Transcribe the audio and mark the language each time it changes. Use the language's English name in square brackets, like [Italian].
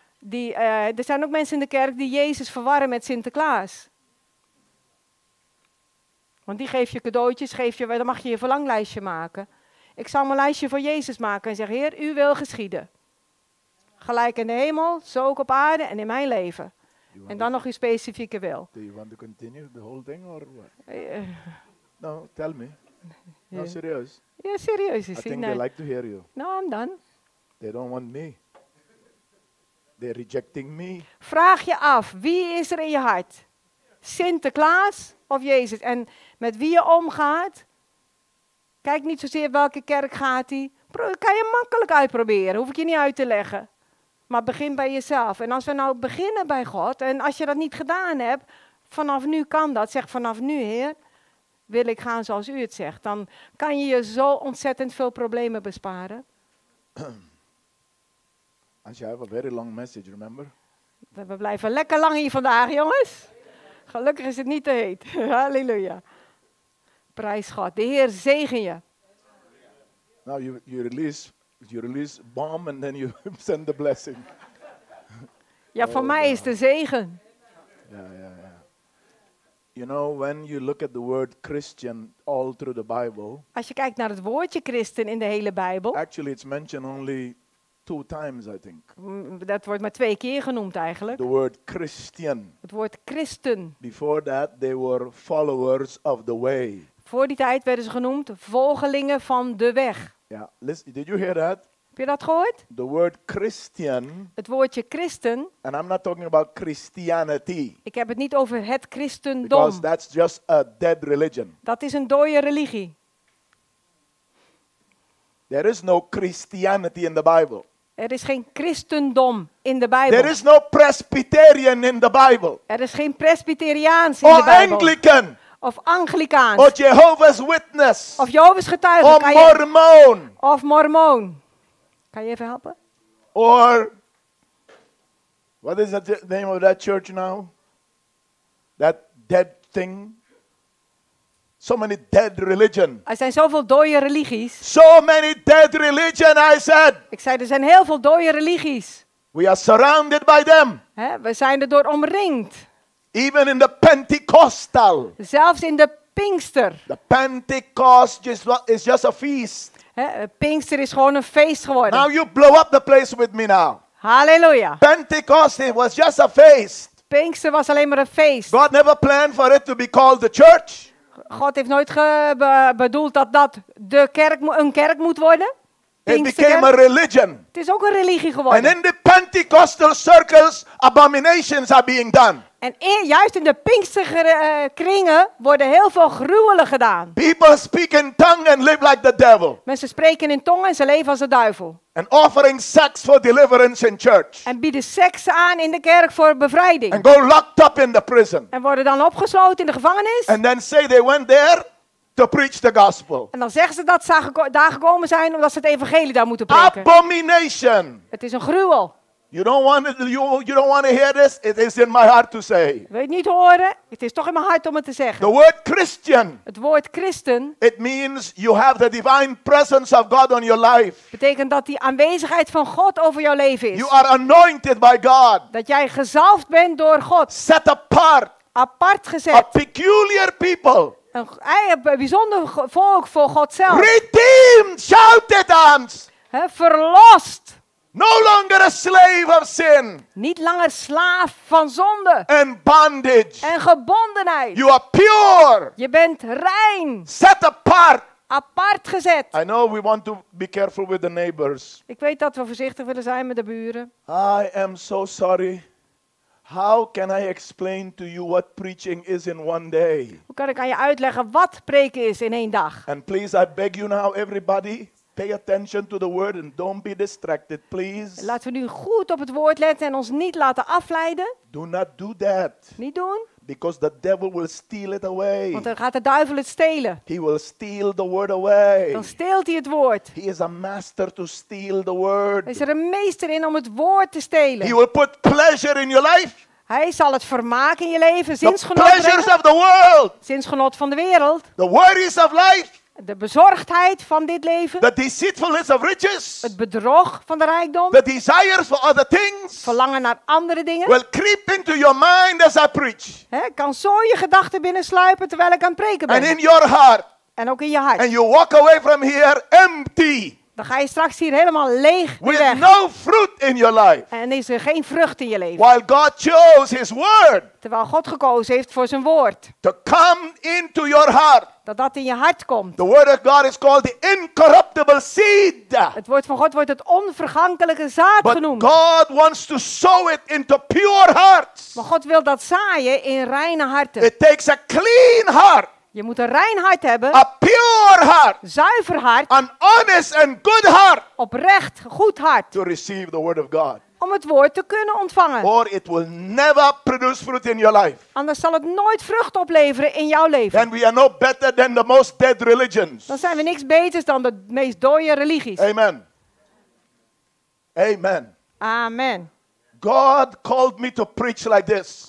[Dutch] Er zijn ook mensen in de kerk die Jezus verwarren met Sinterklaas. Want die geeft je cadeautjes, dan mag je je verlanglijstje maken. Ik zou mijn lijstje voor Jezus maken en zeggen, Heer, u wil geschieden. Gelijk in de hemel, zo ook op aarde en in mijn leven. En dan nog uw specifieke wil. [English] Do you want to continue the whole thing or what? No, tell me. No, serieus. [Dutch] Ja, serieus. [English] I think they like to hear you. No, I'm done. They don't want me. They're rejecting me. [Dutch] Vraag je af, wie is er in je hart? Sinterklaas of Jezus? En met wie je omgaat, kijk niet zozeer welke kerk gaat hij. Kan je makkelijk uitproberen, hoef ik je niet uit te leggen. Maar begin bij jezelf. En als we nou beginnen bij God, en als je dat niet gedaan hebt, vanaf nu kan dat. Zeg vanaf nu, Heer, wil ik gaan zoals u het zegt. Dan kan je je zo ontzettend veel problemen besparen. [English] And you have a very long message, remember? [Dutch] We blijven lekker lang hier vandaag, jongens. Gelukkig is het niet te heet. Halleluja. Prijs God. De Heer zegen je. [English] Now you release... You release bomb and then you send the blessing. [Dutch] Ja, voor mij is de zegen. [English] Yeah. You know, when you look at the word Christian all through the Bible. [Dutch] Als je kijkt naar het woordje Christen in de hele Bijbel. [English] Actually, it's mentioned only 2 times, I think. [Dutch] Dat wordt maar 2 keer genoemd eigenlijk. [English] The word Christian. [Dutch] Het woord Christen. [English] Before that, they were followers of the way. [Dutch] Voor die tijd werden ze genoemd volgelingen van de weg. [English] Yeah, listen, did you hear that? [Dutch] Heb je dat gehoord? [English] The word Christian. [Dutch] Het woordje Christen. [English] And I'm not talking about Christianity. [Dutch] Ik heb het niet over het Christendom. [English] Because that's just a dead religion. [Dutch] Dat is een dode religie. [English] There is no Christianity in the Bible. [Dutch] Er is geen Christendom in de Bijbel. [English] There is no Presbyterian in the Bible. [Dutch] Er is geen Presbyteriaans in [English] or [Dutch] de Bijbel. [English] Or Anglican. [Dutch] Of Anglikaans. Of Jehovah's Witness. Of Jehovah's Getuige. Of Mormoon. Of Mormoon. Kan je even helpen? [English] Or, what is the name of that church now? That dead thing? So many dead religion. [Dutch] Er zijn zoveel dode religies. [English] So many dead religion, I said. [Dutch] Ik zei, er zijn heel veel dode religies. [English] We are surrounded by them. [Dutch] Hè, we zijn er door omringd. [English] Even in the Pentecostal. [Dutch] Zelfs in de Pinkster. [English] The Pentecost is just a feast. [Dutch] Hè, Pinkster is gewoon een feest geworden. [English] Now you blow up the place with me now. [Dutch] Halleluja. [English] Pentecost, it was just a feast. [Dutch] Pinkster was alleen maar een feest. [English] God never planned for it to be called the church. [Dutch] God heeft nooit bedoeld dat de kerk een kerk moet worden. [English] It became a religion. [Dutch] Het is ook een religie geworden. [English] And in the Pentecostal circles, abominations are being done. [Dutch] En juist in de Pinkster kringen worden heel veel gruwelen gedaan. [English] People speak in tongue and live like the devil. [Dutch] Mensen spreken in tongen en ze leven als de duivel. [English] And offering sex for deliverance in church. [Dutch] En bieden seks aan in de kerk voor bevrijding. [English] And go locked up in the prison. [Dutch] En worden dan opgesloten in de gevangenis. [English] And then say they went there to preach the gospel. [Dutch] En dan zeggen ze dat ze daar gekomen zijn omdat ze het evangelie daar moeten preken. [English] Abomination. [Dutch] Het is een gruwel. [English] You don't want to hear this. It is in my heart to say. [Dutch] Wil je het niet horen? Het is toch in mijn hart om het te zeggen. [English] The word Christian. [Dutch] Het woord Christen. [English] It means you have the divine presence of God on your life. [Dutch] Betekent dat die aanwezigheid van God over jouw leven is. [English] You are anointed by God. [Dutch] Dat jij gezalfd bent door God. [English] Set apart. [Dutch] Apart gezet. [English] A peculiar people. [Dutch] Een bijzonder volk voor God zelf. [English] Redeemed, shout it out. [Dutch] Verlost. [English] No longer a slave of sin. [Dutch] Niet langer slaaf van zonde. [English] And bondage. [Dutch] En gebondenheid. [English] You are pure. [Dutch] Je bent rein. [English] Set apart. [Dutch] Apart gezet. [English] I know we want to be careful with the neighbors. [Dutch] Ik weet dat we voorzichtig willen zijn met de buren. [English] I am so sorry. How can I explain to you what preaching is in one day? [Dutch] Hoe kan ik aan je uitleggen wat preken is in één dag? [English] And please, I beg you now, everybody, pay attention to the word and don't be distracted, please. [Dutch] Laten we nu goed op het woord letten en ons niet laten afleiden. [English] Do not do that. [Dutch] Niet doen. [English] Because the devil will steal it away. [Dutch] Want dan gaat de duivel het stelen. [English] He will steal the word away. [Dutch] Dan steelt hij het woord. [English] He is a master to steal the word. [Dutch] Is er een meester in om het woord te stelen. [English] He will put pleasure in your life. [Dutch] Hij zal het vermaak in je leven, zinsgenot brengen. [English] The pleasures of the world. [Dutch] Zinsgenot van de wereld. [English] The worries of life. [Dutch] De bezorgdheid van dit leven. [English] The deceitfulness of riches. [Dutch] Het bedrog van de rijkdom. [English] The desires for other things. [Dutch] Verlangen naar andere dingen. [English] Will creep into your mind as I preach. [Dutch] He, kan zo je gedachten binnensluipen terwijl ik aan het preken ben. [English] And in your heart. [Dutch] En ook in je hart. [English] And you walk away from here empty. [Dutch] Dan ga je straks hier helemaal leeg [English] with [Dutch] weg. [English] No fruit in your life. [Dutch] En is er geen vrucht in je leven. [English] While God chose his word. [Dutch] Terwijl God gekozen heeft voor zijn woord. [English] To come into your heart. [Dutch] Dat in je hart komt. [English] The word of God is called the incorruptible seed. [Dutch] Het woord van God wordt het onvergankelijke zaad [English] But [Dutch] genoemd. [English] God wants to sow it into pure hearts. [Dutch] Maar God wil dat zaaien in reine harten. [English] It takes a clean heart. [Dutch] Je moet een rein hart hebben. [English] A pure heart. [Dutch] Zuiver hart. [English] An honest and good heart. [Dutch] Oprecht, goed hart. [English] To receive the word of God. [Dutch] Om het woord te kunnen ontvangen. [English] Or it will never produce fruit in your life. [Dutch] Anders zal het nooit vrucht opleveren in jouw leven. [English] Then we are no better than the most dead religions. [Dutch] Dan zijn we niks beters dan de meest dode religies. [English] Amen. Amen. Amen. God called me to preach like this.